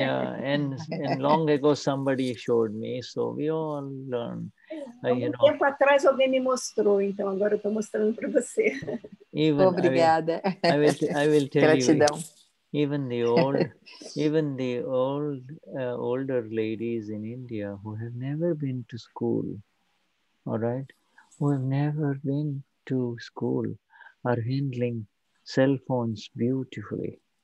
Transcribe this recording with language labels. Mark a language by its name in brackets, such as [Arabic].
[English] And long ago somebody showed me, so we all learn. [Portuguese] Tempo atrás alguém me mostrou, então agora eu estou mostrando para você. Obrigada. [English] I will tell gratidão. You. Even the older ladies in India who have never been to school, all right, who have never been to school, are handling cell phones beautifully.